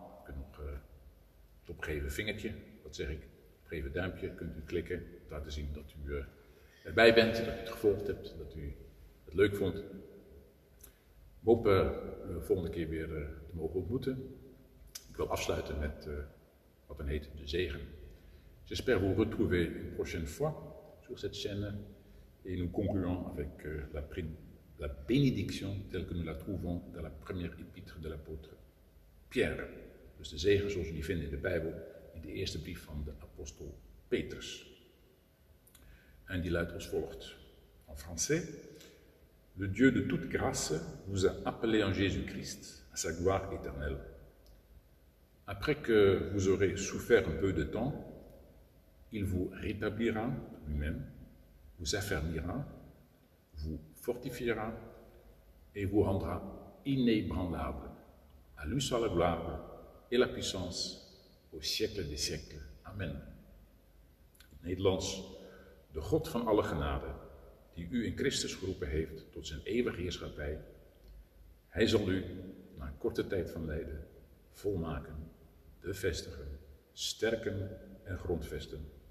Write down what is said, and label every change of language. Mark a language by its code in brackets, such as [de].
[nl] U kunt nog het opgeven vingertje, wat zeg ik, opgeven duimpje, kunt u klikken. Laten zien dat u erbij bent, dat u het gevolgd hebt, dat u het leuk vond. We hopen de volgende keer weer te mogen ontmoeten. Ik wil afsluiten met wat dan heet de zegen. [fr] J'espère vous retrouver une prochaine fois sur cette chaîne et nous concluons avec la bénédiction telle que nous la trouvons dans la première épître de l'apôtre Pierre. [nl] Dus de zegen zoals we die vinden in de Bijbel, in de eerste brief van de apostel Petrus. En die luidt als volgt, [fr] en français. Le Dieu de toute grâce vous a appelé en Jésus-Christ à sa gloire éternelle. Après que vous aurez souffert un peu de temps, il vous rétablira lui-même, vous affermira, vous fortifiera et vous rendra inébranlable. À lui soit la gloire et la puissance au siècle des siècles. [nl] Amen. Nederlands. De God van alle genade, die u in Christus geroepen heeft tot zijn eeuwige heerschappij, hij zal u, na een korte tijd van lijden, volmaken, bevestigen, sterken en grondvesten.